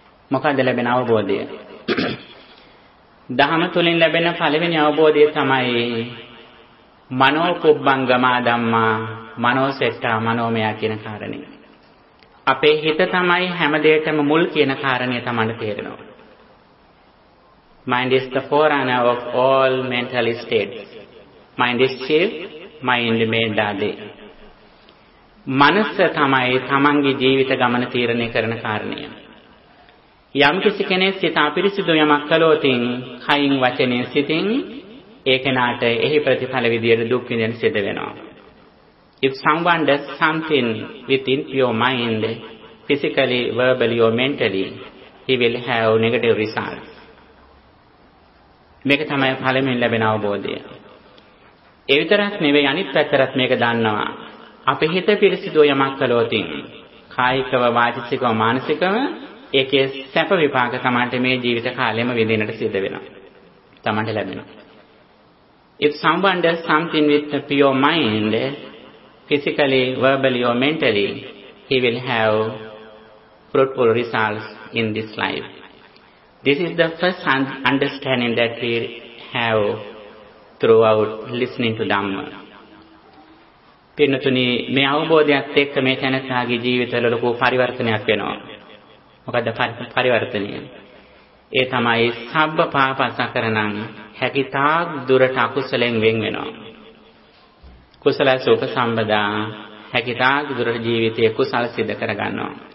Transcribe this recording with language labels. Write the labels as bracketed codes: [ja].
[si] මොකද ලැබෙන අවබෝධය? ධහම තුළින් ලැබෙන පළවෙනි අවබෝධය තමයි [pi] මනෝ කුබ්බංගමා ධම්මා මනෝ සෙට්ටා මනෝමයා [si] කියන කාරණය. අපේ හිත තමයි හැම දෙයකම මුල් කියන කාරණය තමයි තේරෙනවා. [en] Mind is the forerunner of all mental states. Mind is chief, mind made dadi. [si] මනස තමයි තමන්ගේ ජීවිත ගමන තීරණය කරන කාරණය. යම් කිසි කෙනෙක් සිත අපිරිසිදු යමක් කළොතින් කයින් වචනෙන් සිතින් ඒ කෙනාට එහි ප්‍රතිඵල විදියට දුක් විඳින සිද වෙනවා. [en] If someone does something with impure mind, physically, verbally or mentally, he will have negative results. [si] මේක තමයි ඵලෙමින් ලැබෙන අවබෝධය. ඒ විතරක් නෙවෙයි, අනිත් පැත්තට මේක දන්නවා. අපේ හිත පිරිසිදු යමක් කළොතින් කායිකව වාචිකව මානසිකව ඒකේ සැප විපාක තමයි මේ ජීවිත කාලෙම විඳිනට සිද්ධ වෙනවා. තමන්ට ලැබෙනවා. [en] If someone does something with a pure mind, physically, verbally or mentally, he will have fruitful results in this life. This is the first understanding that we have throughout listening to Dhamma. [si] පින්නතුනි, මේ අවබෝධයක් එක්ක මේ තැනත්තාගේ ජීවිතවල ලොකු පරිවර්තනයක් වෙනවා. මොකද පරිවර්තනය? ඒ තමයි [pi] සබ්බ පාපසකරණං [si] හැකිතාක් දුරට අකුසලෙන් වෙන් වෙනවා. [pi] කුසලස උපසම්බදා [si] හැකිතාක් දුරට ජීවිතයේ කුසල සිද්ධ කරගන්නවා.